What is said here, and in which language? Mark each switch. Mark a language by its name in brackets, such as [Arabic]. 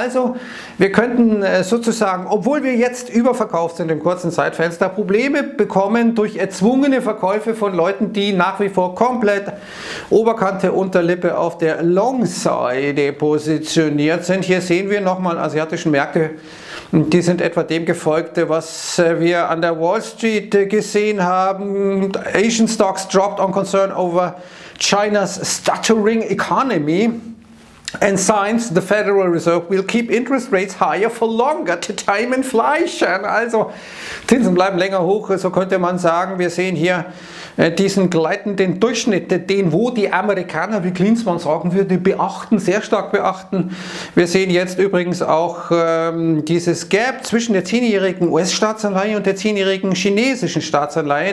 [German] Also wir könnten sozusagen, obwohl wir jetzt überverkauft sind im kurzen Zeitfenster, Probleme bekommen durch erzwungene Verkäufe von Leuten, die nach wie vor komplett Oberkante, Unterlippe auf der Longside positioniert sind. Hier sehen wir nochmal asiatischen Märkte. Die sind etwa dem gefolgt, was wir an der Wall Street gesehen haben. [English] Asian Stocks dropped on concern over China's stuttering economy and signs the Federal Reserve will keep interest rates higher for longer to tame inflation. [German] Also Zinsen bleiben länger hoch, so könnte man sagen. Wir sehen hier diesen gleitenden Durchschnitt, den, wo die Amerikaner, wie Klinsmann sagen würde, beachten, sehr stark beachten. Wir sehen jetzt übrigens auch dieses Gap zwischen der 10-jährigen US-Staatsanleihe und der 10-jährigen chinesischen Staatsanleihe.